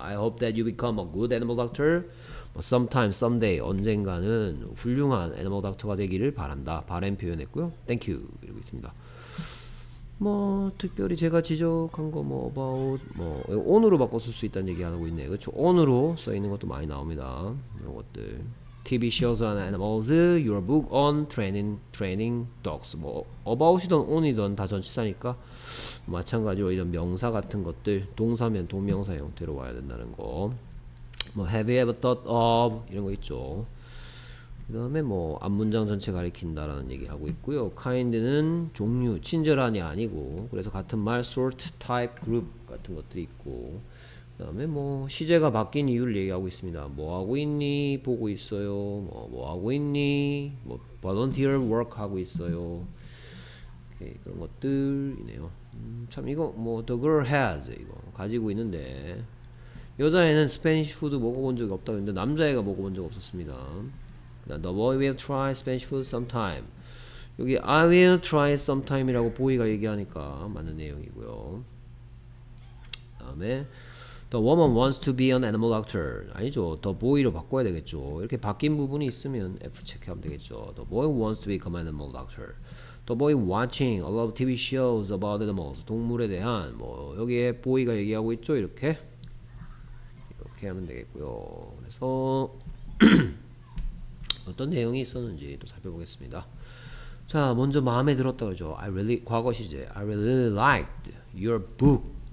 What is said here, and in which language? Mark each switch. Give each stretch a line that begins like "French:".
English: I hope that you become a good animal doctor sometime, someday
Korean: 언젠가는 훌륭한 animal doctor가 되기를 바란다. 바램 표현했고요.
English: Thank you
Korean: 이러고 있습니다. 뭐 특별히 제가 지적한 거뭐 about 뭐 on으로 바꿔 쓸수 있다는 얘기 하고 있네요. 그렇죠. on으로 써 있는 것도 많이 나옵니다. 이런 것들.
English: TV shows on animals, your book on training dogs.
Korean: 뭐 about이든 on이든 다 전치사니까 마찬가지로 이런 명사 같은 것들 동사면 동명사 형태로 와야 된다는 거. 뭐 have you ever thought of 이런 거 있죠. 그 다음에 뭐 앞문장 전체 가리킨다라는 얘기하고 있고요. kind는 종류, 친절한이 아니고 그래서 같은 말 sort, type, group 같은 것들이 있고 그 다음에 뭐 시제가 바뀐 이유를 얘기하고 있습니다. 뭐 하고 있니? 보고 있어요. 뭐 하고 있니? 뭐 volunteer work 하고 있어요. 오케이, 그런 것들이네요. 참 이거 뭐 the girl has 이거 가지고 있는데 여자애는 스페니쉬 푸드 먹어본 적이 없다고 했는데 남자애가 먹어본 적 없었습니다.
English: The boy will try Spanish food sometime. 여기 I will try sometime이라고
Korean: 보이가 얘기하니까 맞는 내용이고요.
English: 다음에 The woman wants to be an animal doctor.
Korean: 아니죠. The boy로 바꿔야 되겠죠. 이렇게 바뀐 부분이 있으면 F 체크하면 되겠죠.
English: The boy wants to become an animal doctor. The boy watching a lot of TV shows about animals.
Korean: 동물에 대한 뭐 여기에 보이가 얘기하고 있죠. 이렇게 이렇게 하면 되겠고요. 그래서 어떤 내용이 있었는지 또 살펴보겠습니다. 자, 먼저 마음에 들었다 그러죠.
English: I really,
Korean: 과거 시제.
English: I really liked your book.